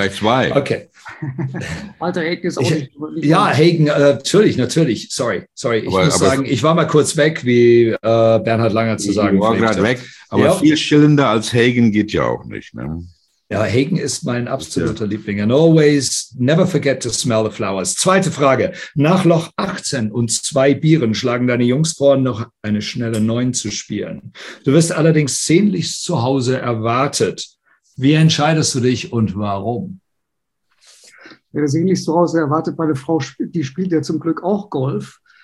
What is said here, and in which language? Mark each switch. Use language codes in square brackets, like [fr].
[de] Oder zwei. Okay. Walter Häkel ist auch nicht. Ja, Häkel, natürlich. Sorry. Ich muss sagen, ich war mal kurz weg, wie Bernhard Langer zu sagen. Ich war gerade weg, aber ja. Viel schillender als Häkel geht ja auch nicht, ne? Ja, Häkel ist mein absoluter Liebling. [en] And always never forget to smell the flowers. [de] Zweite Frage. Nach Loch 18 und zwei Bieren schlagen deine Jungs vor, noch eine schnelle 9 zu spielen. Du wirst allerdings sehnlichst zu Hause erwartet. Wie entscheidest du dich und warum? Ja, sehnlichst zu Hause erwartet, meine Frau, die spielt ja zum Glück auch Golf.